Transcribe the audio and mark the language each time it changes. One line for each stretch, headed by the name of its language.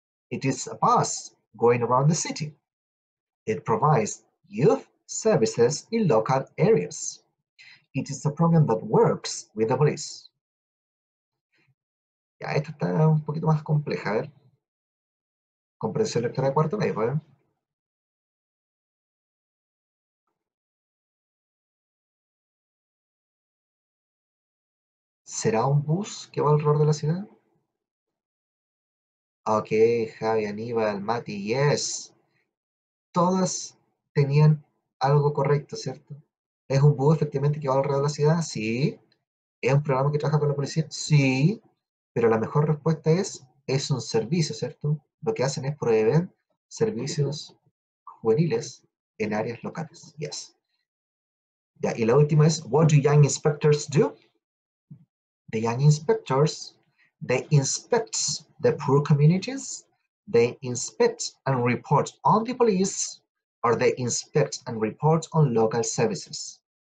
English: It is a bus going around the city. It provides youth services in local areas. It is a program that works with the police.
Spanish: Ya, esta está un poquito más compleja, a ver. Comprensión lectora de cuarto medio, ¿eh? ¿Será un bus que va alrededor de la ciudad? Ok, Javi, Aníbal, Mati, yes. Todas tenían algo correcto, ¿cierto? ¿Es un bus efectivamente que va alrededor de la ciudad? Sí. ¿Es un programa que trabaja con la policía? Sí. Pero la mejor respuesta es un servicio, ¿cierto? Lo que hacen es proveer servicios juveniles en áreas locales, yes. Ya, y la última es,
English: what do young inspectors do? The young inspectors, they inspect the poor communities, they inspect and report on the police, or they inspect and report on local services.